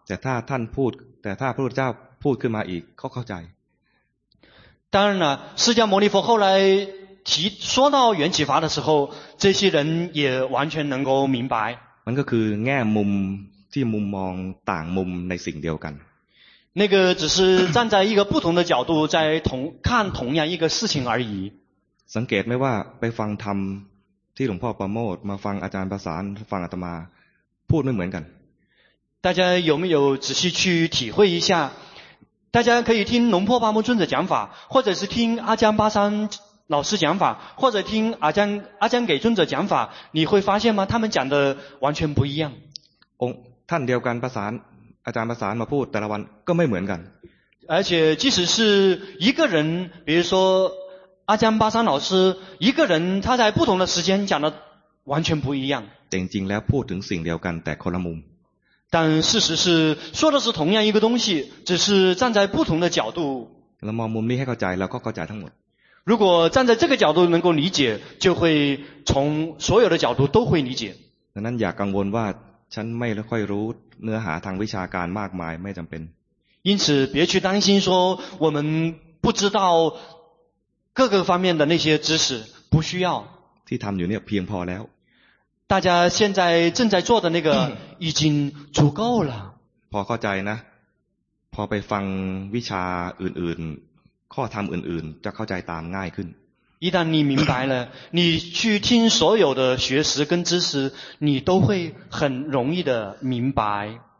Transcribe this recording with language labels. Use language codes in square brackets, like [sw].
[th] แต่ถ้าท่านพูดแต่ถ้าพระพุทธเจ้าพูดขึ้นมาอีกเขาเข้าใจ [zh] 当然了释迦牟尼佛后来提说到缘起法的时候这些人也完全能够明白 [th] มันก็คือแง่มุมที่มุมมองต่างมุมในสิ่งเดียวกัน นั่นก็ [zh] 只是站在一个不同的角度在同看同样一个事情而已 [th] สังเกตไหมว่าไปฟังธรรมที่หลวงพ่อประโมทมาฟังอาจารย์ประสานฟังอาตมาพูดไม่เหมือนกัน [zh] 大家有没有仔细去体会一下？大家可以听龙破巴木尊者讲法，或者是听阿江巴山老师讲法，或者听阿江给尊者讲法，你会发现吗？他们讲的完全不一样。 [th] องท่านเดียวกันประสานอาจารย์ประสานมาพูดแต่ละวันก็ไม่เหมือนกัน。 [zh] 而且即使是一个人，比如说阿江巴山老师一个人，他在不同的时间讲的完全不一样。 [th] จริงๆแล้วพูดถึงสิ่งเดียวกันแต่คนละมุม。 [zh] 但事实是说的是同样一个东西，只是站在不同的角度。 [th] เรามองมุมนี้ให้เข้าใจแล้วก็เข้าใจทั้งหมด。 [zh] 如果站在这个角度能够理解，就会从所有的角度都会理解。 [th] ดังนั้นอย่ากังวลว่าฉันไม่ค่อยรู้เนื้อหาทางวิชาการมากมายไม่จำเป็น。 [zh] 因此别去担心说我们不知道各个方面的那些知识，不需要。 [th] ที่ทำอยู่เนี่ยเพียงพอแล้ว。 [zh] 大家现在正在做的那个已经足够了。 [th] พอเข้าใจนะพอไปฟังวิชาอื่นๆข้อธรรมอื่นๆจะเข้าใจตามง่ายขึ้น。 [zh] 一旦你明白了，你去听所有的学识跟知识，你都会很容易的明白。